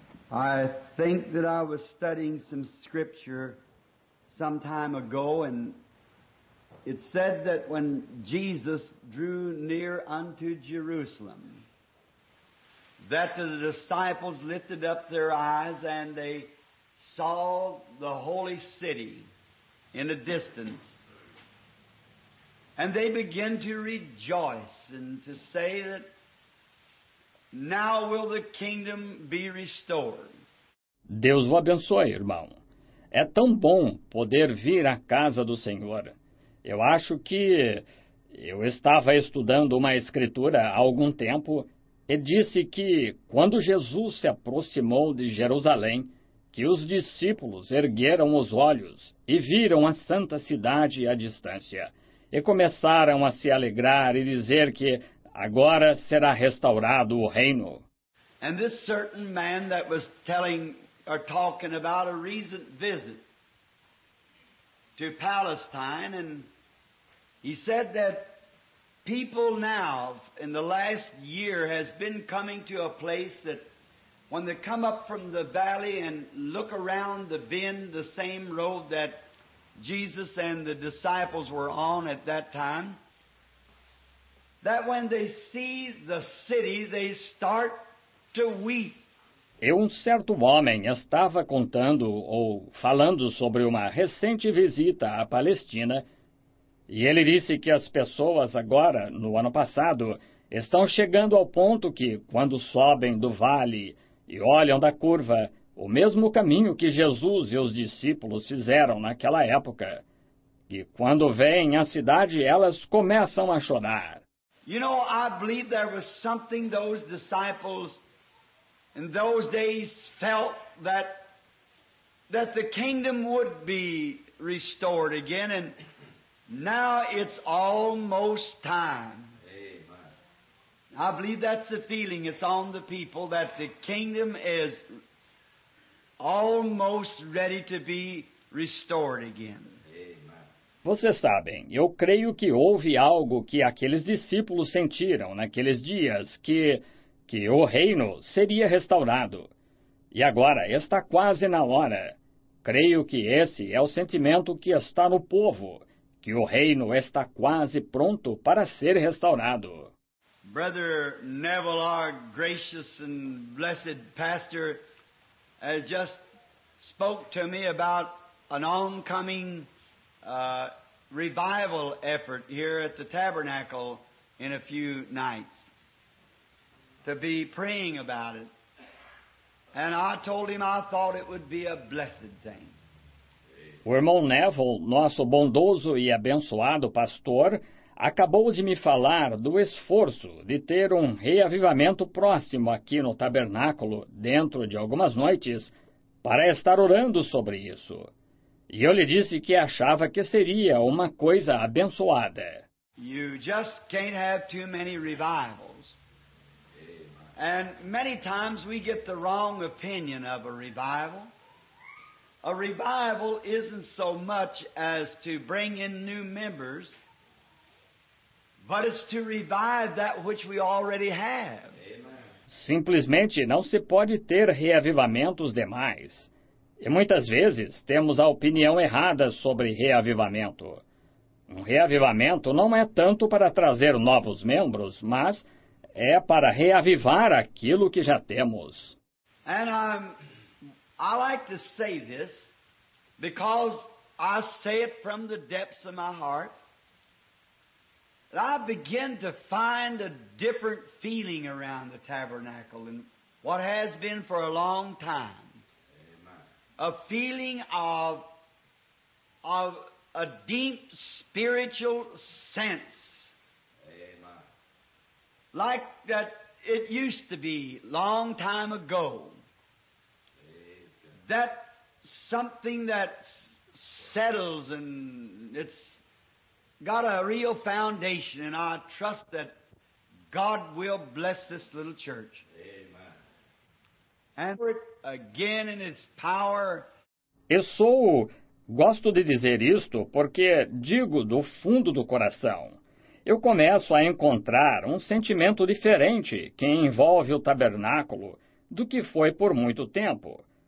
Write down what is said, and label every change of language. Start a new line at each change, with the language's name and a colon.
English: I think that I was studying some scripture some time ago, and it said that when Jesus drew near unto Jerusalem, that the disciples lifted up their eyes and they saw the holy city in the distance. And they began to rejoice and to say that now will the kingdom be restored.
Portuguese: Deus o abençoe, irmão. É tão bom poder vir à casa do Senhor. Eu acho que eu estava estudando uma escritura há algum tempo e disse que quando Jesus se aproximou de Jerusalém, que os discípulos ergueram os olhos e viram a santa cidade à distância e começaram a se alegrar e dizer que agora será restaurado o reino.
English: And this certain man that was telling or talking about a recent visit to Palestine, and he said that people now in the last year has been coming to a place that when they come up from the valley and look around the bend, the same road that Jesus and the disciples were on at that time, that when they see the city, they start to weep.
Portuguese: E um certo homem estava contando ou falando sobre uma recente visita à Palestina, e ele disse que as pessoas agora, no ano passado, estão chegando ao ponto que, quando sobem do vale e olham da curva, o mesmo caminho que Jesus e os discípulos fizeram naquela época, que quando veem a cidade, elas começam a chorar.
English: You know, I believe there was something those disciples in those days felt that the kingdom would be restored again, and now it's almost time. I believe that's the feeling it's on the people, that the kingdom is almost ready to be restored again.
Portuguese: Vocês sabem, eu creio que houve algo que aqueles discípulos sentiram naqueles dias, que o reino seria restaurado. E agora está quase na hora. Creio que esse é o sentimento que está no povo, que o reino está quase pronto para ser restaurado.
English: Brother Neville, our gracious and blessed pastor, just spoke to me about an oncoming revival effort here at the Tabernacle in a few nights to be praying about it. And I told him I thought it would be a blessed thing.
Portuguese: O irmão Neville, nosso bondoso e abençoado pastor, acabou de me falar do esforço de ter um reavivamento próximo aqui no tabernáculo dentro de algumas noites para estar orando sobre isso. E eu lhe disse que achava que seria uma coisa abençoada.
English: You just can't have too many revivals. And many times we get the wrong opinion of a revival. A revival isn't so much as to bring in new members, but it's to revive that which we already have.
Portuguese: Simplesmente não se pode ter reavivamentos demais. E muitas vezes temos a opinião errada sobre reavivamento. Um reavivamento não é tanto para trazer novos membros, mas é para reavivar aquilo que já temos.
English: And I like to say this because I say it from the depths of my heart. I begin to find a different feeling around the tabernacle than what has been for a long time. a feeling of a deep spiritual sense. Amen. Like that it used to be long time ago. That something that settles and it's got a real foundation, and I trust that God will bless this little church. Amen. And again in its power.
Portuguese: Eu sou, gosto de dizer isto porque digo do fundo do coração. Eu começo a encontrar um sentimento diferente que envolve o tabernáculo do que foi por muito tempo.